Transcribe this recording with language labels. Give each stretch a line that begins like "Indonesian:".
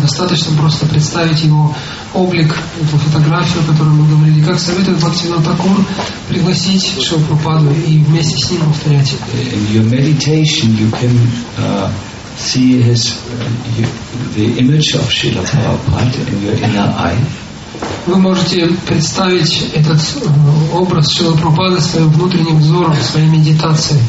Russian: Достаточно просто представить его облик, эту фотографию, о которой мы говорили. Как советует Бхактивинода Такур пригласить Шрилу Прабхупаду и вместе с ним повторять.
English: In your meditation you can see the image of Srila Prabhupada in your inner eye.
Russian: Вы можете представить этот образ Шрилы Прабхупады своим внутренним взором, своей медитацией.